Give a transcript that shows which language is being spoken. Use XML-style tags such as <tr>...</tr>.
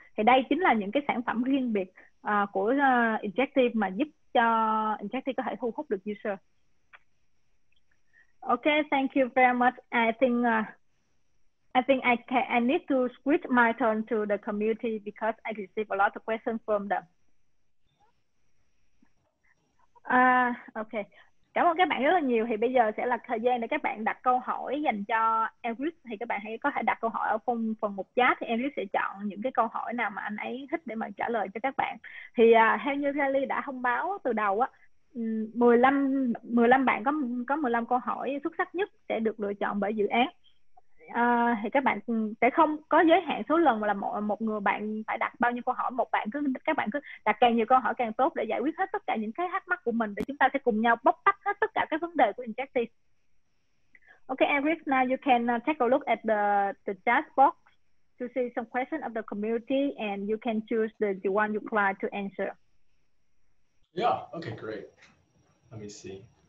<vi>Thì đây chính là những cái sản phẩm riêng biệt của Injecty mà giúp cho Injecty có thể thu hút được user.</vi> <en>Okay, thank you very much. I think I need to switch my turn to the community because I receive a lot of questions from them. Okay.</en> <vi>Cảm ơn các bạn rất là nhiều. Thì bây giờ sẽ là thời gian để các bạn đặt câu hỏi dành cho Eric. Thì các bạn hãy có thể đặt câu hỏi ở phần mục chat, thì Eric sẽ chọn những cái câu hỏi nào mà anh ấy thích để mà trả lời cho các bạn. Thì theo như Kelly đã thông báo từ đầu á, 15 bạn có 15 câu hỏi xuất sắc nhất sẽ được lựa chọn bởi dự án. Thì các bạn sẽ không có giới hạn số lần, mà là một người bạn phải đặt bao nhiêu câu hỏi, các bạn cứ đặt càng nhiều câu hỏi càng tốt để giải quyết hết tất cả những cái thắc mắc của mình, để chúng ta sẽ cùng nhau bóc tách hết tất cả các vấn đề của Injecty.</vi> <en>Okay, Eric, now you can take a look at the chat box to see some questions of the community, and you can choose the one you'd like to answer. Yeah, okay, great. Let me see.</en>